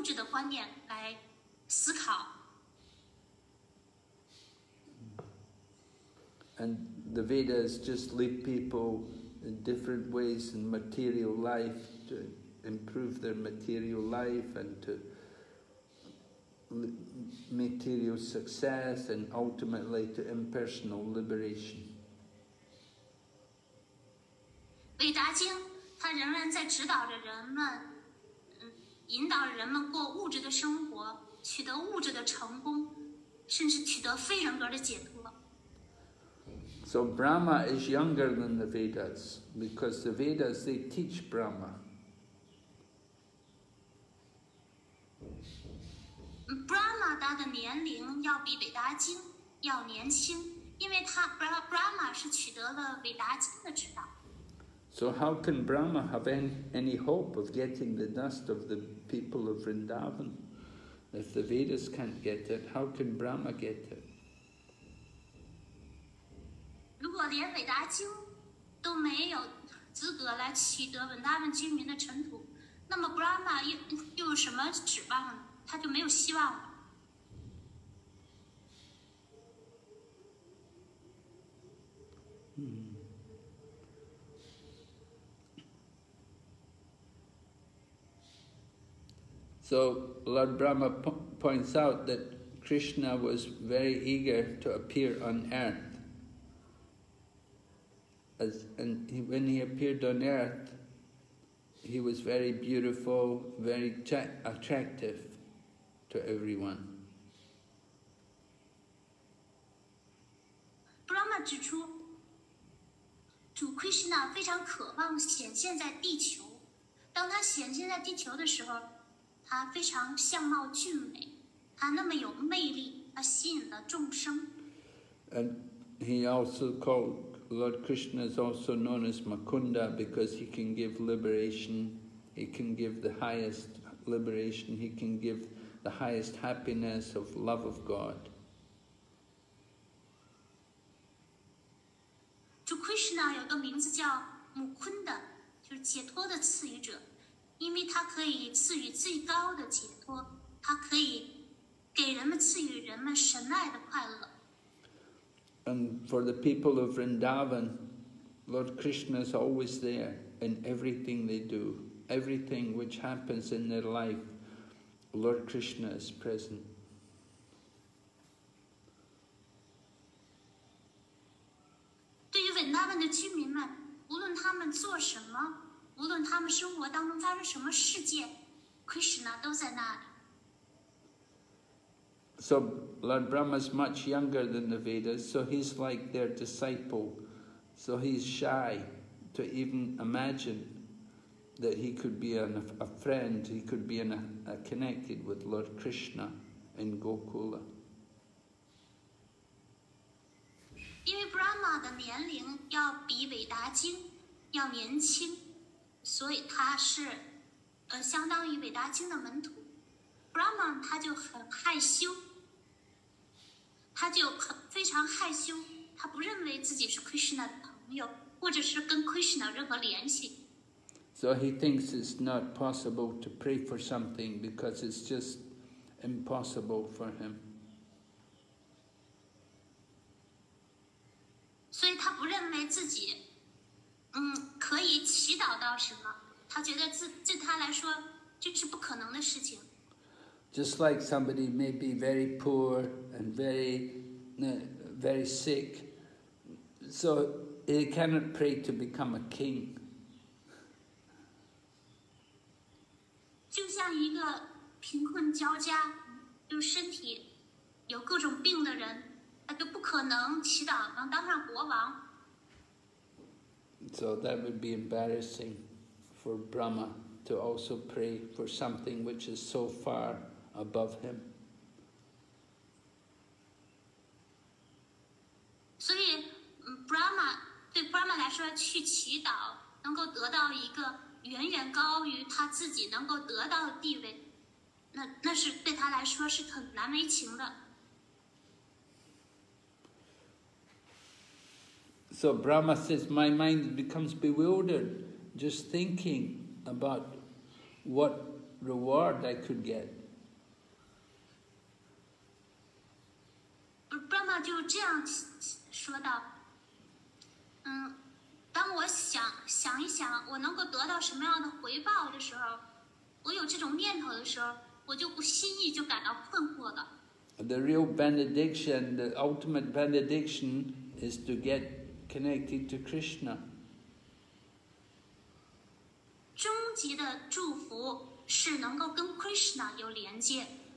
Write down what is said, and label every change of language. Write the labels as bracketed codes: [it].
[zh] 他们还没有资格取得这些尘土，因为他们仍然有个不同的物质的，以不同的物质的观念来思考。 [en] And the Vedas just leave people in different ways in material life to improve their material life and to material success and ultimately to impersonal liberation. [zh] 伟达经它仍然在指导着人们，引导人们过物质的生活，取得物质的成功，甚至取得非人格的解脱。 [en] So Brahma is younger than the Vedas because the Vedas they teach Brahma. [zh] 达的年龄要比韦达经要年轻，因为他 Brahma 是取得了韦达经的指导。 [en] So how can Brahma have any hope of getting the dust of the people of Vrindavan? If the Vedas can't get it, how can Brahma get it? [zh] 如果连韦达经都没有资格来取得文达文居民的尘土，那么 Brahma 又有什么指望呢？他就没有希望了。 [en] So Lord Brahma points out that Krishna was very eager to appear on earth. When he appeared on earth, he was very beautiful, very attractive to everyone. [zh] Brahma 指出，主 Krishna 非常渴望显现在地球。当他显现在地球的时候，他非常相貌俊美，他那么有魅力，他吸引了众生。 [en] And he also called Lord Krishna is also known as Mukunda because he can give liberation, he can give the highest liberation, he can give the highest happiness of love of God. [zh] To Krishna 有个名字叫 Mukunda， 就是解脱的赐予者。因为他可以赐予最高的解脱，他可以给人们赐予人们神爱的快乐。 [en] And for the people of Vrindavan, Lord Krishna is always there in everything they do. Everything which happens in their life, Lord Krishna is present. [zh] 对于 Vrindavan 的居民们，无论他们做什么，无论他们生活当中发生什么事件， Krishna 都在那里。 [en] So Lord Brahma is much younger than the Vedas, so he's like their disciple. So he's shy to even imagine that he could be a friend, he could be connected with Lord Krishna in Gokula. [zh] 因为 Brahma 的年龄要比韦达经要年轻，所以他是相当于韦达经的门徒。 Brahma 他就很害羞，他就很非常害羞，他不认为自己是 Krishna 的朋友，或者是跟 Krishna 任何联系。 [en] So he thinks it's not possible to pray for something because it's just impossible for him. [zh] 所以他不认为自己可以祈祷到什么，他觉得这他来说这是不可能的事情。 [en] Just like somebody may be very poor and very, very sick, so he cannot pray to become a king. [zh] 就像一个贫困交加，就身体有各种病的人，他都不可能祈祷能当上国王。 [en] So that would be embarrassing for Brahma to also pray for something which is so far above him. [zh] 所以 Brahma 对 Brahma 来说，去祈祷能够得到一个远远高于他自己能够得到的地位，那是对他来说是很难为情的。 [en] So Brahma says, my mind becomes bewildered just thinking about what reward I could get. [zh] Brahma 就这样说道，当我想一想我能够得到什么样的回报的时候，我有这种念头的时候，我就不心意就感到困惑了。 [en] The real benediction, the ultimate benediction is to get connected to Krishna. [zh] 终极的祝福是能够跟 Krishna 有连接。